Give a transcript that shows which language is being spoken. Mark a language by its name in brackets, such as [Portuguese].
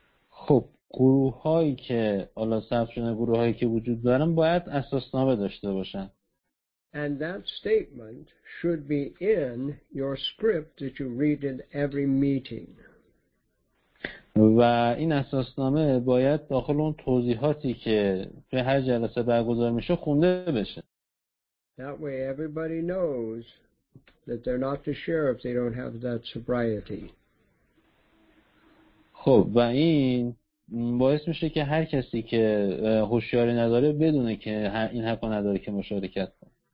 [Persian] خب گروه هایی که الان ثبت شده، گروه هایی که وجود دارن باید اساسنامه داشته باشن. [English] And that statement should be in your script that you read in every meeting. [Persian] و این اساسنامه باید داخل اون توضیحاتی که به هر جلسه برگزار میشه خونده بشه. [English] That way everybody knows that they're not to share if they don't have that sobriety. [Persian] خب و این باعث میشه که هر کسی که هوشیاری نداره بدونه که این حق نداره که مشارکت کنه.